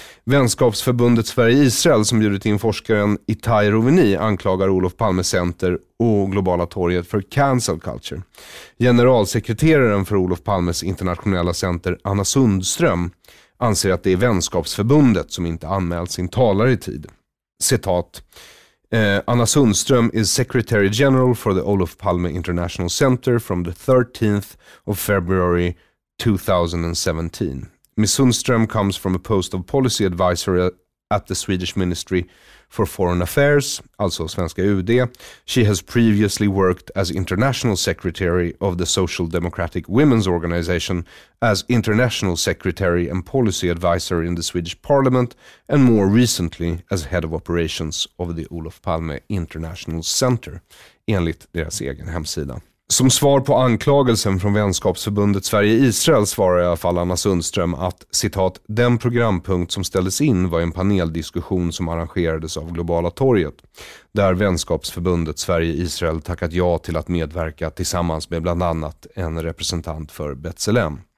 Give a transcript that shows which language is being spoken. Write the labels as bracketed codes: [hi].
[sv] Vänskapsförbundet Sverige-Israel som bjudit in forskaren Itai Rovini anklagar Olof Palme Center och Globala torget för cancel culture. Generalsekreteraren för Olof Palmes internationella center Anna Sundström anser att det är Vänskapsförbundet som inte anmält sin talare i tid. Citat: [en] "Anna Sundström is Secretary General for the Olof Palme International Center from the 13th of February 2017. Ms. Sundström comes from a post of policy advisor at the Swedish Ministry for Foreign Affairs, [sv] alltså svenska UD. [en] She has previously worked as International Secretary of the Social Democratic Women's Organization, as International Secretary and Policy Advisor in the Swedish Parliament, and more recently as Head of Operations of the Olof Palme International Center, [sv] enligt deras egen hemsida. Som svar på anklagelsen från Vänskapsförbundet Sverige-Israel svarar jag för Anna Sundström att, citat, den programpunkt som ställdes in var en paneldiskussion som arrangerades av Globala torget, där Vänskapsförbundet Sverige-Israel tackat ja till att medverka tillsammans med bland annat en representant för B'Tselem.